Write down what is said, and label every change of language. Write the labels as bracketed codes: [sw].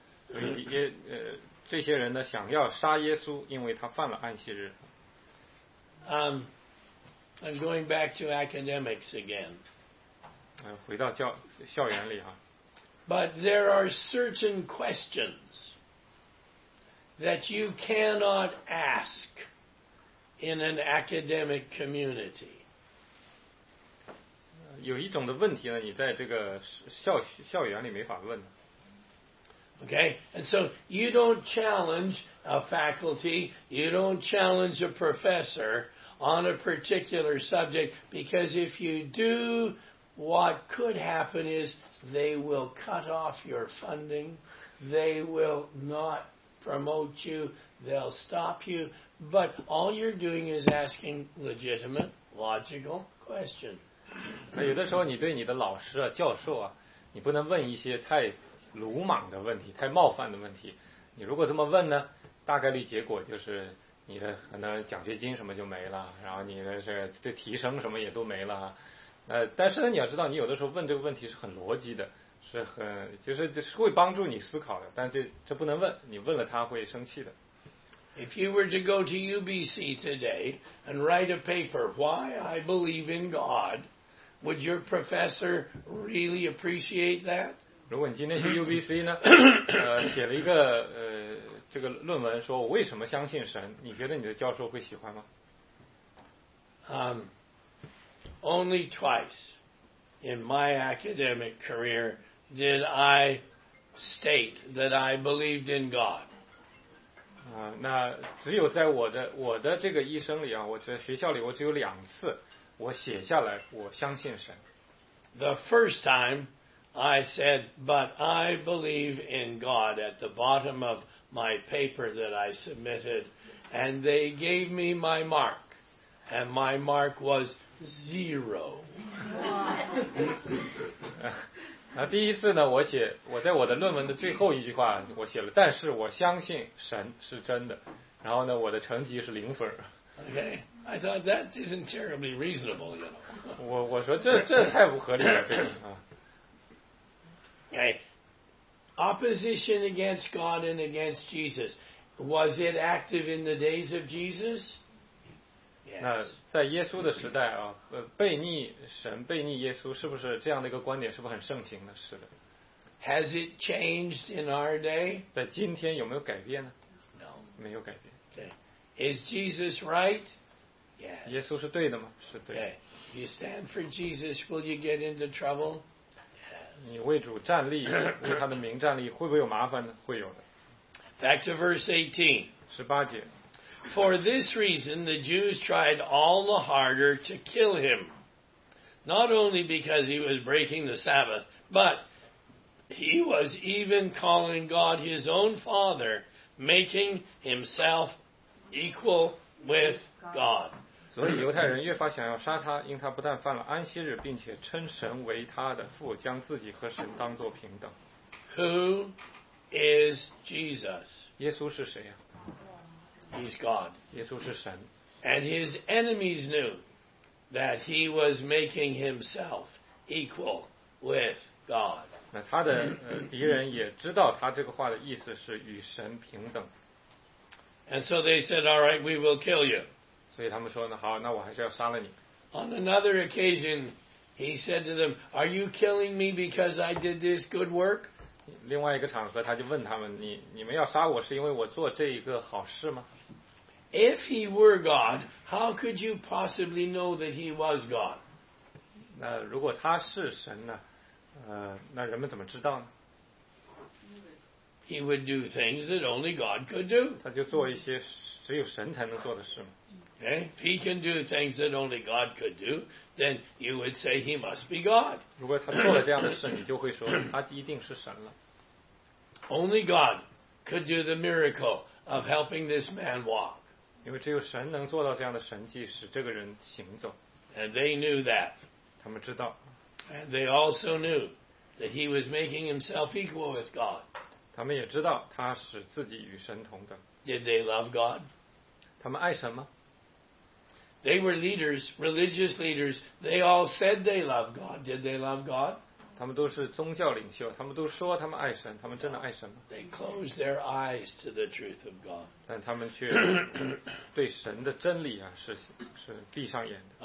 [zh] 所以也这些人呢，想要杀耶稣，因为他犯了安息日。 [en] I'm going back to academics again. [zh] 回到校园里啊。 [en] But there are certain questions that you cannot ask in an academic community. [zh] 有一种的问题呢，你在这个校园里没法问。 [en] Okay, and so you don't challenge a faculty, you don't challenge a professor on a particular subject, because if you do, what could happen is they will cut off your funding, they will not promote you, they'll stop you, but all you're doing is asking legitimate, logical question. [zh] 有的时候你对你的老师啊，教授啊，你不能问一些太鲁莽的问题，太冒犯的问题。你如果这么问呢，大概率结果就是你的可能奖学金什么就没了，然后你的这个提升什么也都没了。但是呢，你要知道，你有的时候问这个问题是很逻辑的，是很就是会帮助你思考的。但这不能问，你问了他会生气的。 [en] If you were to go to UBC today and write a paper, why I believe in God, would your professor really appreciate that? [zh] 如果你今天去 UBC 呢，写了一个这个论文，说我为什么相信神？你觉得你的教授会喜欢吗？ [en] Only twice in my academic career did I state that I believed in God. [zh] 那只有在我的这个一生里啊，我在学校里，我只有两次我写下来我相信神。 [en] The first time. I said, but I believe in God at the bottom of my paper that I submitted, and they gave me my mark, and my mark was zero. [zh] 第一次呢，我在我的论文的最后一句话，我写了，但是我相信神是真的，然后呢，我的成绩是零分。 [en] Okay, I thought that isn't terribly reasonable, you know. [zh] 我说这太不合理了，这个啊。 [en] Okay. Opposition against God and against Jesus. Was it active in the days of Jesus? Yes. [zh] 在耶稣的时代啊，悖逆神、悖逆耶稣，是不是这样的一个观点，是不是很盛行呢？是的。 [en] Has it changed in our day? [zh] 在今天有没有改变呢？ [en] No. [zh] 没有改变。 [en] Okay. Is Jesus right? Yes. [zh] 耶稣是对的吗？是对。 [en] Okay. You stand for Jesus, will you get into trouble? [zh] 你为主站立，为他的名站立，会不会有麻烦呢？会有的。 [en] Back to verse 18. [zh] 十八节。 [en] For this reason, the Jews tried all the harder to kill him. Not only because he was breaking the Sabbath, but he was even calling God his own father, making himself equal with God. [zh] 所以犹太人越发想要杀他，因他不但犯了安息日，并且称神为他的父，将自己和神当作平等。 [en] Who is Jesus? [zh] 耶稣是谁啊？ [en] He's God. [zh] 耶稣是神。 [en] And his enemies knew that he was making himself equal with God. [zh] 那他的敌人也知道他这个话的意思是与神平等。 [en] And so they said, "All right, we will kill you." [zh] 所以他们说呢，好，那我还是要杀了你。 [en] On another occasion, he said to them, "Are you killing me because I did this good work?" [zh] 另外一个场合，他就问他们，你们要杀我是因为我做这一个好事吗？ [en] If he were God, how could you possibly know that he was God? [zh] 那如果他是神呢？那人们怎么知道呢？ [en] He would do things that only God could do. [zh] 他就做一些只有神才能做的事吗？ [en] Okay. If he can do things that only God could do, then you would say he must be God. [zh] 如果他做了这样的事，你就会说他一定是神了。 [en] Only God could do the miracle of helping this man walk. [zh] 因为只有神能做到这样的神迹，使这个人行走。 [en] And they knew that. [zh] 他们知道。 [en] And they also knew that he was making himself equal with God. [zh] 他们也知道他使自己与神同等。 [en] Did they love God? [zh] 他们爱神吗？ [en] They were leaders, religious leaders. They all said they loved God. Did they love God? [zh] 他们都是宗教领袖，他们都说他们爱神，他们真的爱神吗？ [en] They closed their eyes to the truth of God. [zh] 但他们却对神的真理啊，是闭上眼的。